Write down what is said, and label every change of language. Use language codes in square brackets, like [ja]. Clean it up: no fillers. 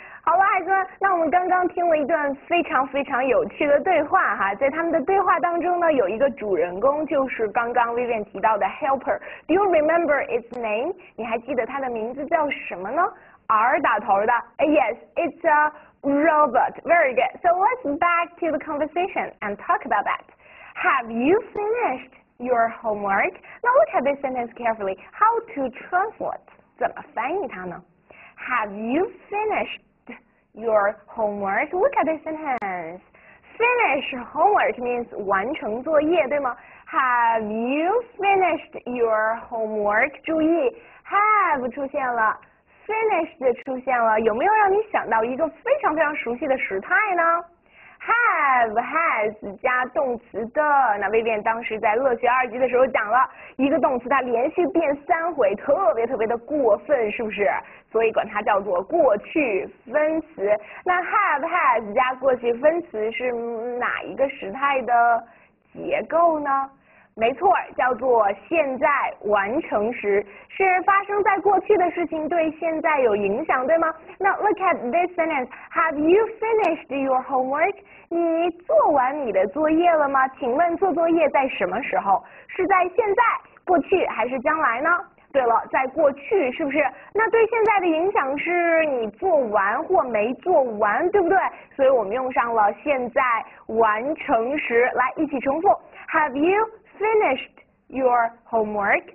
[zh] 好吧，二哥，那我们刚刚听了一段非常非常有趣的对话哈，在他们的对话当中呢，有一个主人公就是刚刚 Vivian 提到的 helper， [en] Do you remember its name？ [zh] 你还记得它的名字叫什么呢？R 打头的， [en] Yes，it's a robot，very good。 So let's back to the conversation and talk about that. Have you finished your homework？ [zh] 那 [en] look at this sentence carefully，how to translate？ [zh] 怎么翻译它呢？ [en] Have you finished？ Your homework. Look at this sentence. Finish homework means [zh] 完成作业，对吗？ [en] Have you finished your homework？ [zh] 注意，have 出现了，finished 出现了，有没有让你想到一个非常非常熟悉的时态呢？Have has 加动词的。那 Vivian 当时在乐学二级的时候讲了一个动词，它连续变三回，特别特别的过分，是不是？所以管它叫做过去分词。那 have has 加过去分词是哪一个时态的结构呢？没错，叫做现在完成时，是发生在过去的事情对现在有影响，对吗？ [en] 那 look at this sentence. Have you finished your homework? [zh] 你做完你的作业了吗？请问做作业在什么时候？是在现在、过去还是将来呢？对了，在过去是不是？那对现在的影响是你做完或没做完，对不对？所以我们用上了现在完成时，来一起重复： [en] Have you finished your homework?